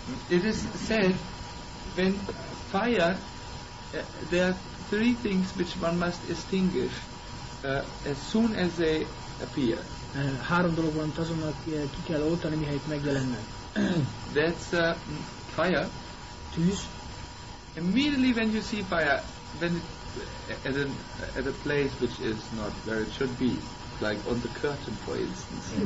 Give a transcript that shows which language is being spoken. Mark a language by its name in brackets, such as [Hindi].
[English] It is said when fire, there are three things which one must extinguish as soon as they appear. [Hungarian] Három dolog van, azonnal ki kell oltani, mihelyt megjelennek. [English] That's fire. [Hungarian] Tűz. [English] Immediately when you see fire, when it, at a place which is not where it should be, like on the curtain, for instance.